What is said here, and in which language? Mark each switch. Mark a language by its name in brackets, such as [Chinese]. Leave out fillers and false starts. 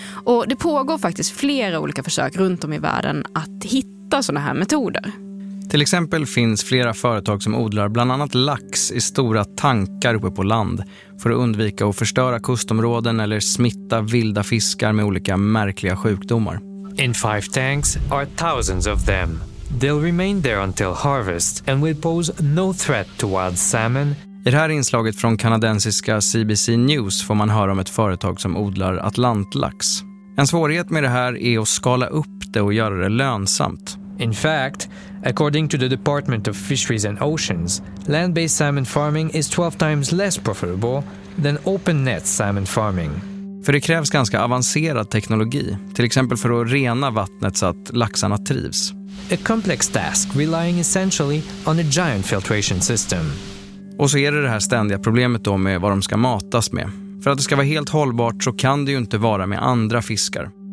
[Swedish] Och det pågår faktiskt flera olika försök runt om i världen att hitta sådana här metoder. Till exempel finns flera företag som odlar bland annat lax i stora tankar uppe på land för att undvika att förstöra kustområden eller smitta vilda fiskar med olika märkliga sjukdomar. [English] In 5 tanks are thousands of them. They'll remain there until harvest and will pose no threat to wild salmon. [Swedish] I det här inslaget från kanadensiska CBC News får man höra om ett företag som odlar atlantlax. En svårighet med det här är att skala upp det och göra det lönsamt. [English] In fact, according to the Department of Fisheries and Oceans, land-based salmon farming is 12 times less profitable than open-net salmon farming. [Swedish] För det krävs ganska avancerad teknologi, till exempel för att rena vattnet så att laxarna trivs. [English] A complex task relying essentially on a giant filtration system. [Swedish] Och så är det här ständiga problemet då med vad de ska matas med. För att det ska vara helt hållbart så kan det ju inte vara med andra fiskar.